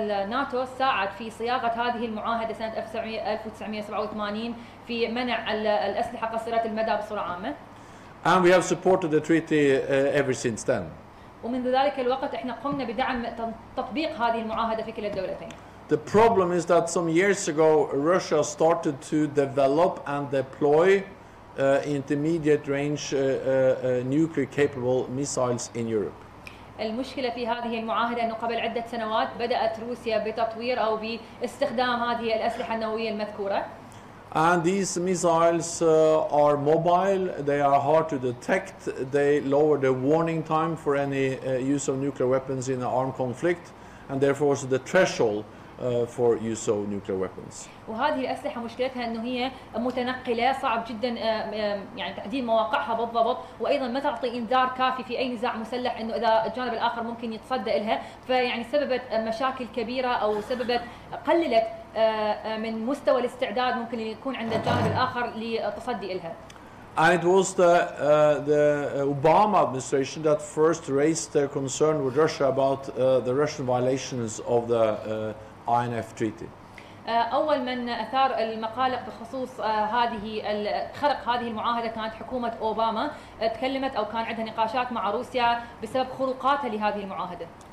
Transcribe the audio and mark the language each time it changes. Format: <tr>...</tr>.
<ar>NATO ساعد في صياغة هذه المعاهدة سنة 1987 في منع الأسلحة قصيرة المدى بصورة عامة.</ar> <en>And we have supported the treaty ever since then.</en> <ar>ومنذ ذلك الوقت احنا قمنا بدعم تطبيق هذه المعاهدة في كلا الدولتين.</ar> <en>The problem is that some years ago Russia started to develop and deploy intermediate range nuclear capable missiles in Europe.</en> <ar>المشكلة في هذه المعاهدة انه قبل عدة سنوات بدأت روسيا بتطوير او باستخدام هذه الأسلحة النووية المذكورة.</ar> <en>And these missiles are mobile, they are hard to detect, they lower the warning time for any use of nuclear weapons in an armed conflict, and therefore also the threshold for use of nuclear weapons.</en> <ar>وهذه الأسلحة مشكلتها أنه هي متنقلة صعب جدا يعني تعديل مواقعها بالضبط وأيضا ما تعطي إنذار كافي في أي نزاع مسلح أنه إذا الجانب الآخر ممكن يتصدى لها فيعني سببت مشاكل كبيرة أو سببت قللت من مستوى الاستعداد ممكن يكون عند الجانب الآخر لتصدي لها.</ar> <en>And it was the Obama administration that first raised their concern with Russia about the Russian violations of the INF treaty.</en> <ar>أول من أثار المقالق بخصوص هذه خرق هذه المعاهدة كانت حكومة أوباما تكلمت أو كان عندها نقاشات مع روسيا بسبب خروقاتها لهذه المعاهدة.</ar>